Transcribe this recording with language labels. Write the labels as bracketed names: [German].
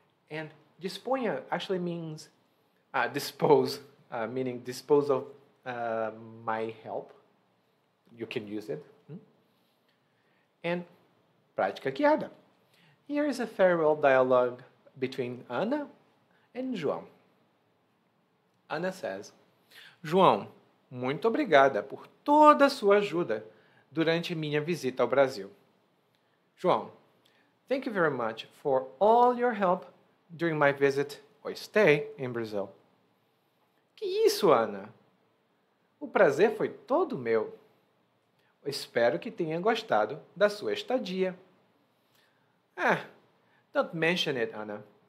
[English] And disponha actually means dispose, meaning dispose of my help. You can use it. And prática guiada. Here is a farewell dialogue between Ana and João. Ana says, [Portuguese] João, muito obrigada por toda a sua ajuda durante minha visita ao Brasil. [English] João, thank you very much for all your help during my visit or stay in Brazil. [Portuguese] Que isso, Ana? O prazer foi todo meu. Espero que tenha gostado da sua estadia. Ah, [English] don't mention it, Ana.